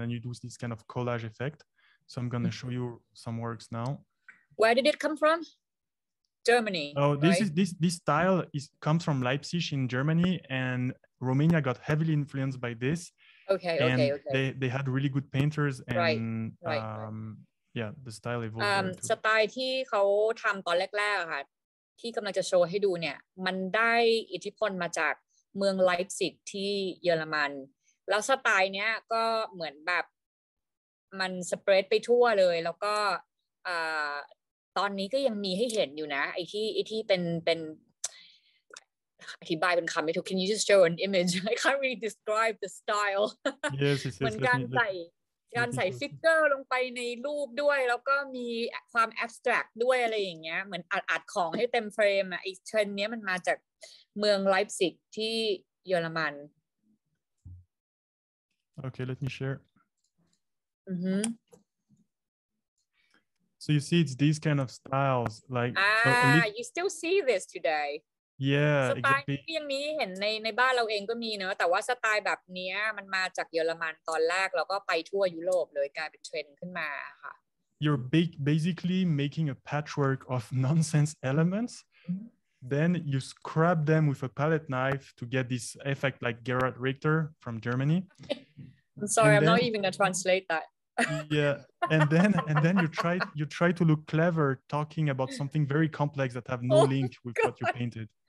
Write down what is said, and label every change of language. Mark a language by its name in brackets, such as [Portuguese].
[English] And then you do this kind of collage effect. So I'm going to show you some works now. Where did it come from? Germany. Oh, this style comes from Leipzig in Germany, and Romania got heavily influenced by this. Okay. They had really good painters and Yeah, the style evolved. [Thai] สไตล์ที่เขาทำตอนแรกๆค่ะที่กำลังจะโชว์ให้ดูเนี่ยมันได้อิทธิพลมาจากเมืองไลป์ซิกที่เยอรมันแล้วสไตล์เนี้ยก็เหมือนแบบมันสเปรดไปทั่วเลยแล้วก็ตอนนี้ก็ยังมีให้เห็นอยู่นะไอ้ที่เป็นอธิบายเป็นคำไม่ถูก [English] Can you just show an image? I can't really describe the style. Yes, yes, yes. [Thai] เหมือนการใส่การใส่ฟิกเกอร์ลงไปในรูปด้วยแล้วก็มีความแอบสแตรกด้วยอะไรอย่างเงี้ยเหมือนอัดของให้เต็มเฟรมอ่ะไอ้เทรนเนี้ยมันมาจากเมืองไลป์ซิกที่เยอรมัน [English] โอเค let me share mm-hmm. so you see it's these kind of styles like you still see this today yeah [Thai] สไตล์ที่ยังมีเห็นในบ้านเราเองก็มีเนอะแต่ว่าสไตล์แบบนี้มันมาจากเยอรมันตอนแรกแล้วก็ไปทั่วยุโรปเลยกลายเป็นเทรนด์ขึ้นมาค่ะ [English] you're basically making a patchwork of nonsense elements then you scrap them with a palette knife to get this effect like Gerhard Richter from Germany I'm sorry and I'm then, not even gonna translate that yeah and then you try to look clever talking about something very complex that have no link with what you painted